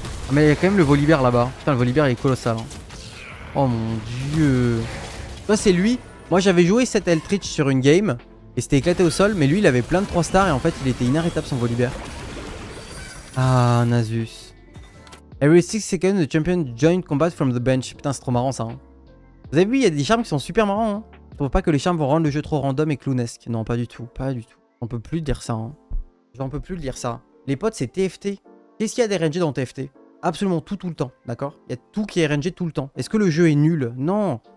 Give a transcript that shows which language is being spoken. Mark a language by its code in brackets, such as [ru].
[fr] Mais il y a quand même le Volibear là-bas. Putain le Volibear il est colossal. Hein. Oh mon dieu. Toi c'est lui. Moi j'avais joué cette Eldritch sur une game et c'était éclaté au sol, mais lui il avait plein de 3 stars et en fait il était inarrêtable son Volibear. Ah, Nasus. [en] Every 6 seconds, the champion joins combat from the bench. [fr] Putain, c'est trop marrant ça. Hein. Vous avez vu, il y a des charmes qui sont super marrants. Hein. Je trouve pas que les charmes vont rendre le jeu trop random et clownesque. Non, pas du tout. Pas du tout. On peut plus dire ça. Hein. J'en peux plus dire ça. Les potes, c'est TFT. Qu'est-ce qu'il y a d'RNG dans TFT? Absolument tout, tout le temps. D'accord? Il y a tout qui est RNG tout le temps. Est-ce que le jeu est nul? Non.